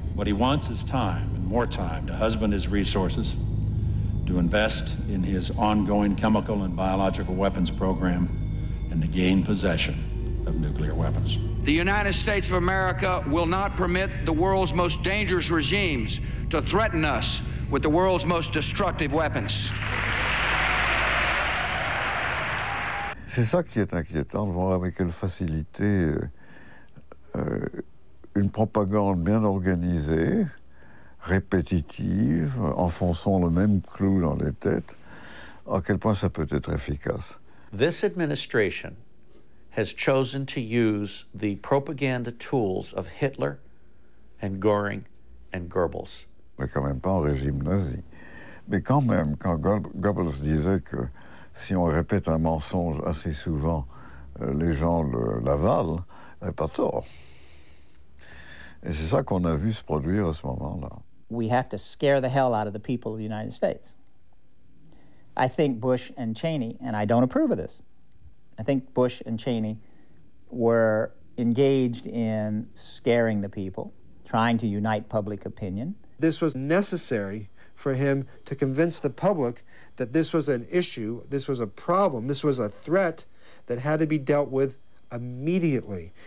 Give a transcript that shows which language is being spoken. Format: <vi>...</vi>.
<en>What he wants is time and more time to husband his resources, to invest in his ongoing chemical and biological weapons program, and to gain possession of nuclear weapons. The United States of America will not permit the world's most dangerous regimes to threaten us with the world's most destructive weapons.</en> <fr>C'est ça qui est inquiétant, de voir avec quelle facilité une propagande bien organisée, répétitive, enfonçant le même clou dans les têtes, à quel point ça peut être efficace.</fr> <en>This administration has chosen to use the propaganda tools of Hitler and Goering and Goebbels.</en> <fr>Mais quand même pas en régime nazi. Mais quand même, quand Goebbels disait que si on répète un mensonge assez souvent, les gens l'avalent, il n'y a pas tort. Et c'est ça qu'on a vu se produire à ce moment-là.</fr> <en>We have to scare the hell out of the people of the United States. I think Bush and Cheney, and I don't approve of this, I think Bush and Cheney were engaged in scaring the people, trying to unite public opinion. This was necessary for him to convince the public that this was an issue, this was a problem, this was a threat that had to be dealt with immediately.</en>